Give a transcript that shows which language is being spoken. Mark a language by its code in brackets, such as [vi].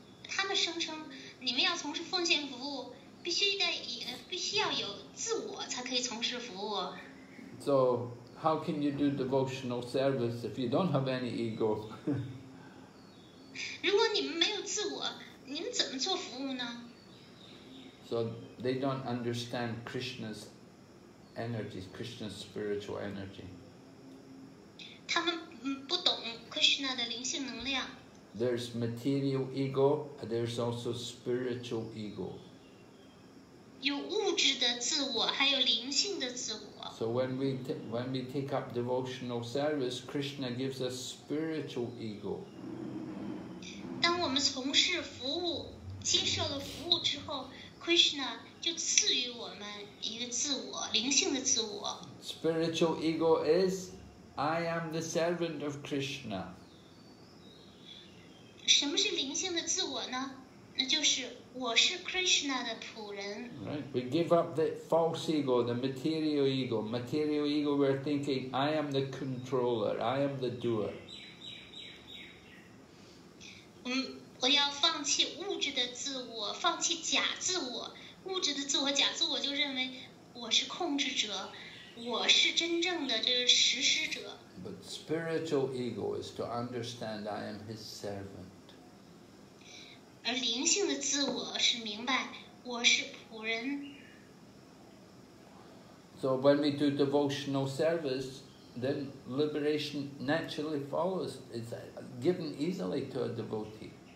[zh] 他们声称，你们要从事奉献服务，必须要有自我才可以从事服务。 [en] So how can you do devotional service if you don't have any ego? [zh] 如果你们没有自我，你们怎么做服务呢？ [en] So they don't understand Krishna's energy, Krishna's spiritual energy. [zh] 他们嗯。Krishna 的灵性能量。 [en] There's material ego, there's also spiritual ego. [zh] 有物质的自我，还有灵性的自我。 [en] So when we take up devotional service, Krishna gives us spiritual ego. [zh] 当我们从事服务，接受了服务之后， Krishna 就赐予我们一个自我，灵性的自我。 [en] Spiritual ego is, I am the servant of Krishna. [zh] 什么是灵性的自我呢？那就是我是 Krishna 的仆人。 [en] Right, we give up the false ego, the material ego. Material ego, we're thinking, I am the controller, I am the doer. [zh] 我要放弃物质的自我，放弃假自我。物质的自我、假自我就认为我是控制者，我是真正的这个实施者。 [en] But spiritual ego is to understand I am his servant. [zh] 而灵性的自我是明白我是仆人。 [en] So when we do devotional service, then liberation naturally follows. It's given easily to a devotee.